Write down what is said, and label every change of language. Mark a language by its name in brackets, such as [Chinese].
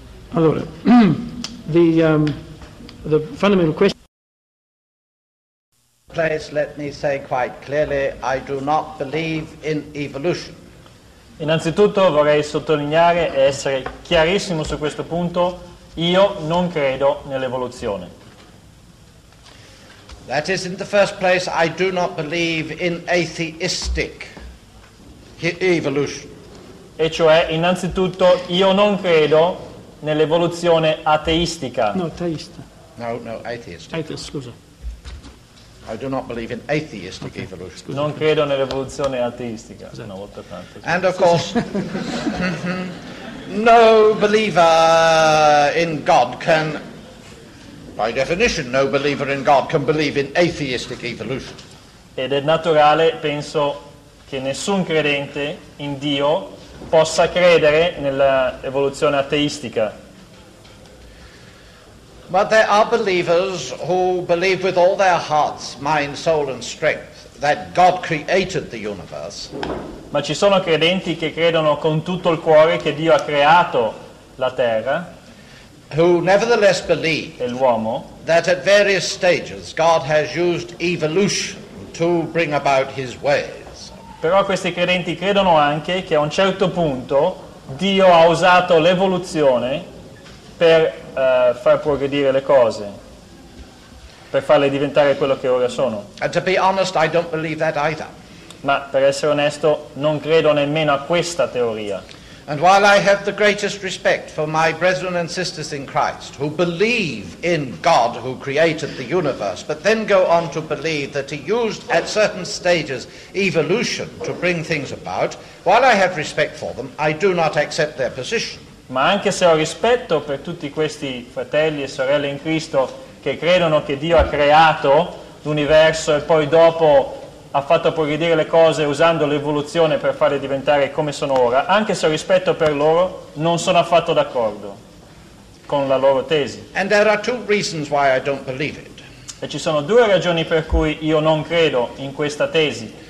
[English] Allora, the fundamental question. Place, let me say quite clearly, I do not believe in evolution. [Italian] Innanzitutto vorrei sottolineare e essere chiarissimo su questo punto: io non credo nell'evoluzione. [English] That is, in the first place, I do not believe in atheistic evolution. [Italian] E cioè, innanzitutto, io non credo nell'evoluzione ateistica. [English] No, atheist. I do not believe in atheistic evolution. [Italian] Scusa. Non credo nell'evoluzione ateistica. Scusa. Una volta tanto. [English] And of course, no believer in God can, by definition, no believer in God can believe in atheistic evolution. [Italian] Ed è naturale, penso, che nessun credente in Dio possa credere nell'evoluzione ateistica. [English] But there are believers who believe with all their hearts, mind, soul and strength that God created the universe. [Italian] Ma ci sono credenti che credono con tutto il cuore che Dio ha creato la terra. [English] Who nevertheless believe [Italian] e l'uomo, [English] that at various stages God has used evolution to bring about his ways. [Italian] Però questi credenti credono anche che a un certo punto Dio ha usato l'evoluzione per far progredire le cose, per farle diventare quello che ora sono. [English] And to be honest, I don't believe that either. [Italian] Ma per essere onesto, non credo nemmeno a questa teoria. [English] And while I have the greatest respect for my brethren and sisters in Christ who believe in God who created the universe, but then go on to believe that he used at certain stages evolution to bring things about, while I have respect for them, I do not accept their position. [Italian] Ma anche se ho rispetto per tutti questi fratelli e sorelle in Cristo che credono che Dio ha creato l'universo e poi dopo ha fatto progredire le cose usando l'evoluzione per farle diventare come sono ora, anche se ho rispetto per loro, non sono affatto d'accordo con la loro tesi. [English] And there are two reasons why I don't believe it. [Italian] E ci sono due ragioni per cui io non credo in questa tesi.